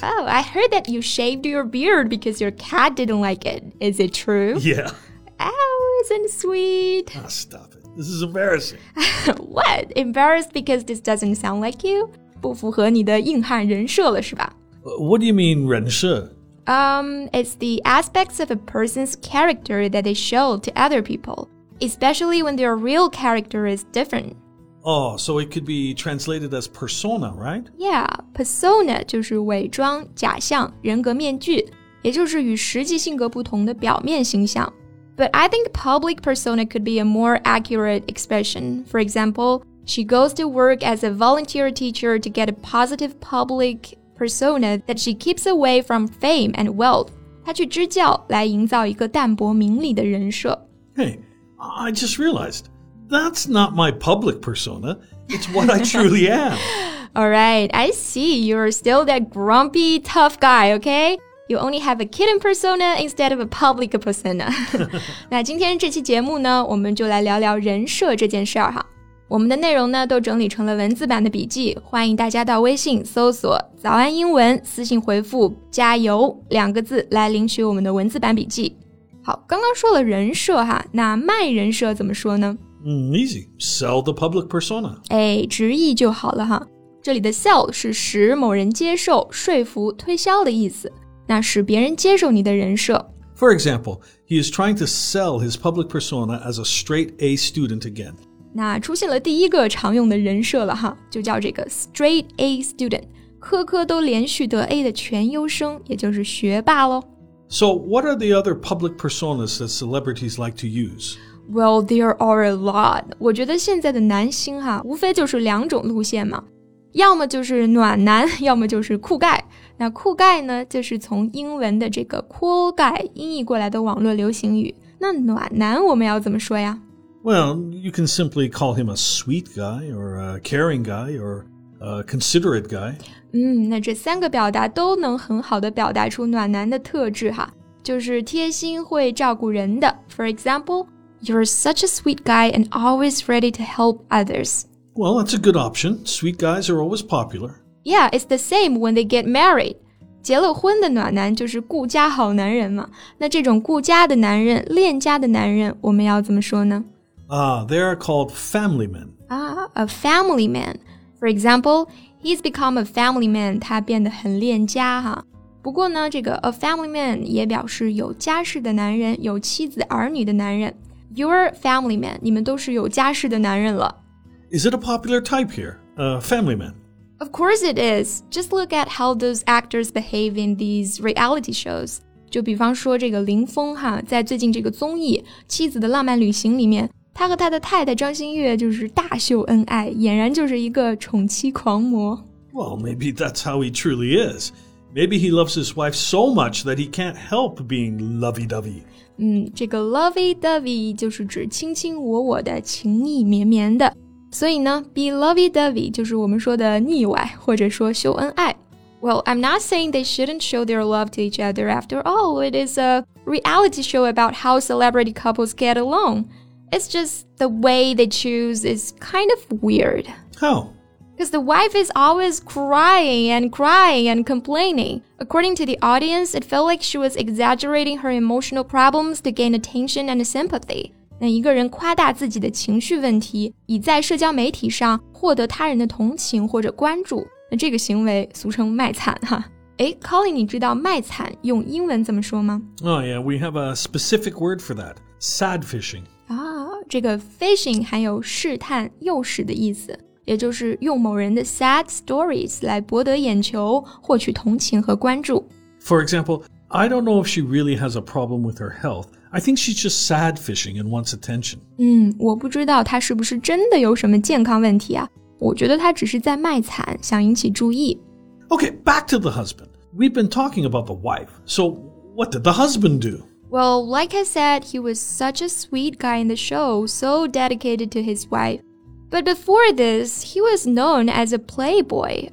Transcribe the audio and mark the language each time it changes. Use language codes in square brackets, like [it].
[en] Oh, I heard that you shaved your beard because your cat didn't like it. Is it true? Yeah. Oh, isn't it sweet? Ah, stop it. This is embarrassing. What? Embarrassed because this doesn't sound like you? [zh] 不符合你的硬汉人设了是吧? [en] What do you mean, 人设? It's the aspects of a person's character that they show to other people, especially when their real character is different. Oh, so it could be translated as persona, right? Yeah, persona [zh] 就是伪装、假象、人格面具，也就是与实际性格不同的表面形象。 [en] But I think public persona could be a more accurate expression. For example, she goes to work as a volunteer teacher to get a positive public persona that she keeps away from fame and wealth. [zh] 她去支教来营造一个淡泊名利的人设。 [en] Hey, I just realized... That's not my public persona. It's what I truly am. All right, I see. You're still that grumpy, tough guy, okay? You only have a kitten persona instead of a public persona. [zh] 那今天这期节目呢，我们就来聊聊人设这件事儿哈。我们的内容呢，都整理成了文字版的笔记，欢迎大家到微信搜索“早安英文”，私信回复“加油”两个字来领取我们的文字版笔记。好，刚刚说了人设哈，那卖人设怎么说呢？ [en] Easy. Sell the public persona. [zh] 哎，直译就好了哈。这里的 sell 是使某人接受、说服、推销的意思。那使别人接受你的人设。 [en] For example, he is trying to sell his public persona as a straight A student again. [zh] 那出现了第一个常用的人设了哈，就叫这个 [en] straight A student, [zh] 科科都连续得 A 的全优生，也就是学霸咯。 [en] So what are the other public personas that celebrities like to use? Well, there are a lot. [zh] 我觉得现在的男星哈，无非就是两种路线嘛，要么就是暖男，要么就是酷盖。那酷盖呢，就是从英文的这个 [en] cool guy [zh] 音译过来的网络流行语。那暖男我们要怎么说呀？ [en] Well, you can simply call him a sweet guy, or a caring guy, or a considerate guy. [zh] 嗯，那这三个表达都能很好地表达出暖男的特质哈，就是贴心会照顾人的。 [en] For example,You're such a sweet guy and always ready to help others. Well, that's a good option. Sweet guys are always popular. Yeah, it's the same when they get married. [zh] 结了婚的暖男就是顾家好男人嘛。那这种顾家的男人、恋家的男人，我们要怎么说呢？ [en] They are called family men. A family man. For example, he's become a family man. [zh] 他变得很恋家哈。不过呢，这个 [en] a family man [zh] 也表示有家室的男人、有妻子儿女的男人。 [en] Your family man, [zh] 你们都是有家室的男人了。 [en] Is it a popular type here, family man? Of course it is. Just look at how those actors behave in these reality shows. [zh] 就比方说这个林峰哈，在最近这个综艺《妻子的浪漫旅行》里面，他和他的太太张馨月就是大秀恩爱，俨然就是一个宠妻狂魔。 [en] Well, maybe that's how he truly is. Maybe he loves his wife so much that he can't help being lovey-dovey. [zh] 这个 lovey-dovey 就是指卿卿我我的情意绵绵的。所以呢 [en] be lovey-dovey [zh] 就是我们说的腻歪或者说秀恩爱。 [en] Well, I'm not saying they shouldn't show their love to each other after all. It is a reality show about how celebrity couples get along. It's just the way they choose is kind of weird. How? Because the wife is always crying and crying and complaining. According to the audience, it felt like she was exaggerating her emotional problems to gain attention and sympathy. [zh] 那一个人夸大自己的情绪问题，以在社交媒体上获得他人的同情或者关注，那这个行为俗称卖惨哈。哎 ，Colin， 你知道卖惨用英文怎么说吗 [en] ？Oh yeah, we have a specific word for that. Sad fishing. [zh] 这个 fishing 含有试探、诱使的意思。也就是用某人的 [en] sad stories [zh] 来博得眼球，获取同情和关注。 [en] For example, I don't know if she really has a problem with her health. I think she's just sad fishing and wants attention. [zh] 嗯，我不知道她是不是真的有什么健康问题啊。我觉得她只是在卖惨，想引起注意。 [en] Okay, back to the husband. We've been talking about the wife. So, what did the husband do? Well, like I said, he was such a sweet guy in the show, so dedicated to his wife. But before this, he was known as a playboy.